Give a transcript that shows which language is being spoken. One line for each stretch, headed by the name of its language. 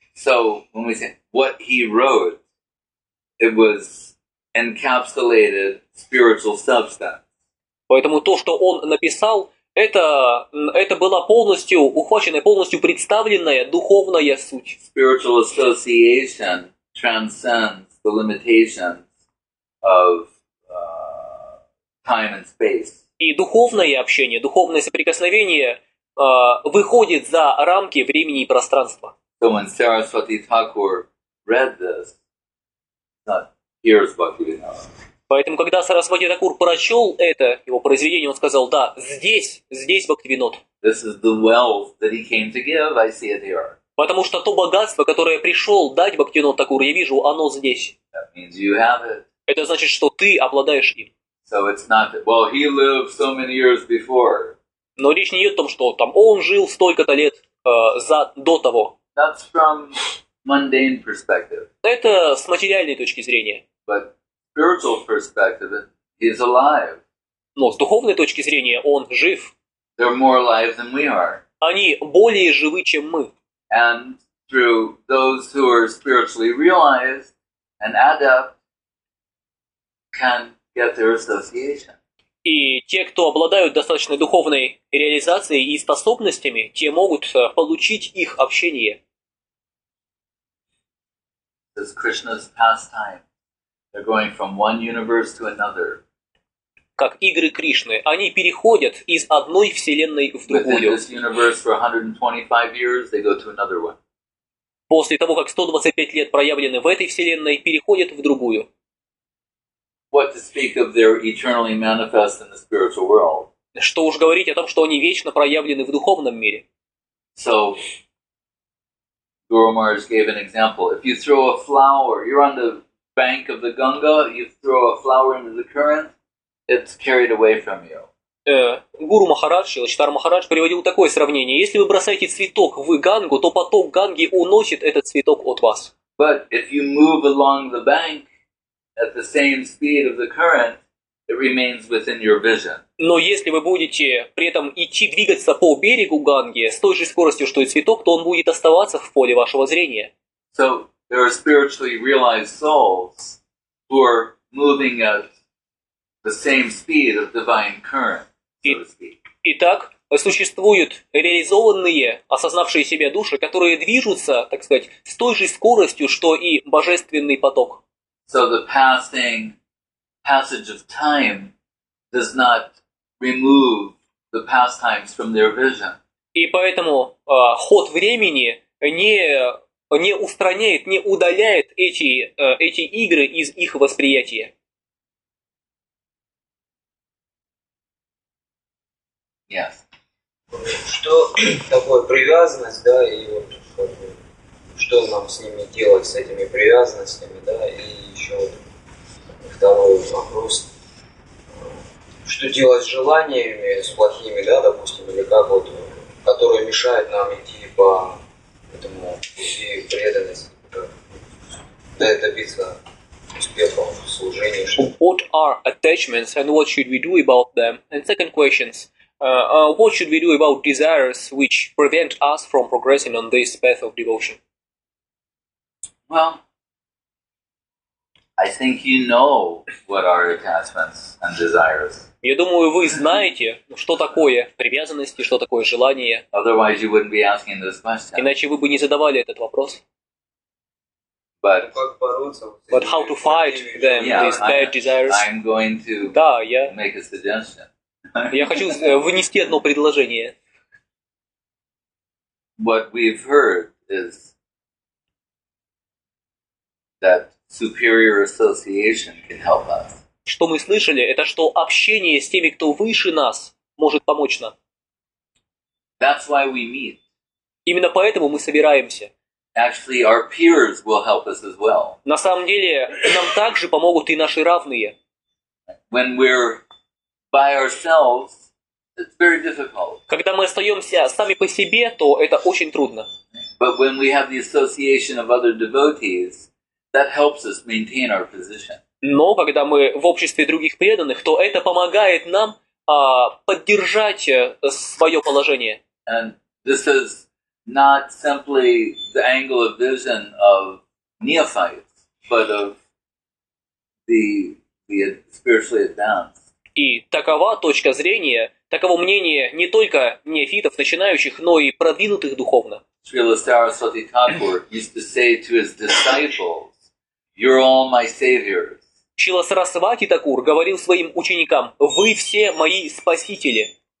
English: So when we say what he wrote, it was encapsulated spiritual substance.
Russian: Поэтому то, что он написал, Это была полностью ухваченная, полностью представленная духовная суть.
English: Spiritual association transcends the limitations of time and space.
Russian: И духовное общение, духовное соприкосновение выходит за рамки времени и пространства.
English: So when Saraswati Thakur read this, here's Bhaktivinoda.
Russian: Поэтому, когда Сарасвати Такур прочел это его произведение, он сказал: «Да, здесь Бхактивинод».
English: This is the wealth that he came to give. I see it here.
Russian: Потому что то богатство, которое пришел дать Бхактивинод Такур, я вижу, оно здесь.
English: That means you have it.
Russian: Это значит, что ты обладаешь им.
English: So it's not that. Well, he lived so many years before.
Russian: Но речь не идет о том, что там он жил столько-то лет до того.
English: That's from mundane perspective.
Russian: Это с материальной точки зрения.
English: But spiritual perspective, he is alive.
Russian: Но с духовной точки зрения он жив.
English: They're more alive than we are.
Russian: Они более живы, чем мы.
English: And through those who are spiritually realized and adept, can get their association.
Russian: И те, кто обладают достаточной духовной реализацией и способностями, те могут получить их общение.
English: This is Krishna's pastime. They're going from one universe to another.
Russian: Как игры Кришны, они переходят из одной вселенной в другую.
English: Within this universe for 125 years, they go to another one.
Russian: После того, как 125 лет проявлены в этой вселенной, переходят в другую.
English: What to speak of their eternally manifest in the spiritual world?
Russian: Что уж говорить о том, что они вечно проявлены в духовном мире.
English: So, Guru Maharaj gave an example. If you throw a flower, you're on the bank of the Ganga, you throw a flower into the current, it's carried away from you.
Russian: Гуру Махарадж, Шилачитар Махарадж приводил такое сравнение. Если вы бросаете цветок в Гангу, то поток Ганги уносит этот цветок от вас.
English: But if you move along the bank at the same speed of the current, it remains within your vision.
Russian: Но если вы будете при этом идти двигаться по берегу Ганги с той же скоростью, что и цветок, то он будет оставаться в поле вашего зрения.
English: So, there are spiritually realized souls who are moving at the same speed of divine current, so to speak.
Russian: Итак, существуют реализованные, осознавшие себя души, которые движутся, так сказать, с той же скоростью, что и божественный поток.
English: So the passage of time does not remove the pastimes from their vision.
Russian: И поэтому ход времени не устраняет, не удаляет эти игры из их восприятия.
English: Yes.
Russian: Что такое привязанность, да, и вот что нам с ними делать, с этими привязанностями, да, и еще второй вопрос. Что делать с желаниями, с плохими, да, допустим, или как вот, которые мешают нам идти по преданность, да, добиться успеха в
English: What are attachments and what should we do about them? And second question, what should we do about desires which prevent us from progressing on this path of devotion? Well, I think you know what are attachments and desires.
Russian: Я думаю, вы знаете, что такое привязанности, что такое желание.
English: Otherwise you wouldn't be asking this question.
Russian: Иначе вы бы не задавали этот вопрос.
English: But how to fight them, yeah, these bad desires? I'm going to make a suggestion.
Russian: Я хочу внести одно предложение.
English: What we've heard is that superior association can help us.
Russian: Что мы слышали, это что общение с теми, кто выше нас, может помочь нам.
English: That's why we meet.
Russian: Именно поэтому мы собираемся.
English: Actually, our peers will help us as well.
Russian: На самом деле, нам также помогут и наши равные.
English: When we're by ourselves, it's very difficult.
Russian: Когда мы остаемся сами по себе, то это очень трудно.
English: But when we have the association of other devotees, that helps us maintain our position.
Russian: Но когда мы в обществе других преданных, то это помогает нам поддержать свое положение.
English: And this is not simply the angle of vision of neophytes, but of the spiritually advanced.
Russian: И такова точка зрения, таково мнение не только неофитов, начинающих, но и продвинутых духовно.
English: Srila Saraswati Thakur used to say to his disciples, "You're all my saviors."
Russian: Шрила Сарасвати Такур говорил своим ученикам: «Вы все мои спасители».